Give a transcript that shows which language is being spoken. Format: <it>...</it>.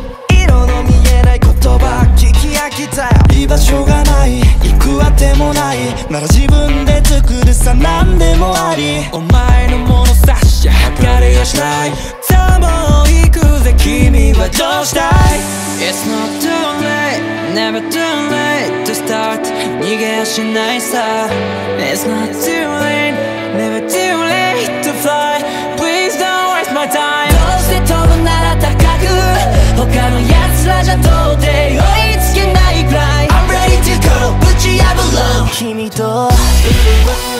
<ja>色の見えない言葉聞き飽きたよ。居場所がない、行くあてもない、なら自分で作るさ、何でもあり。お前のものさ、しゃはかれやしない。さあもう行くぜ、君はどうしたい。</ja> <en>It's not too late, never too late to start.</en> <ja>逃げやしないさ。</ja> <en>It's not too late, never too late to fly. Please don't waste my time.</en> <ja>どうして飛ぶなら高く、他の奴らじゃ到底追いつけないくらい。</ja> <en>I'm ready to go,</en> <ja>ぶち破ろう君と。</ja>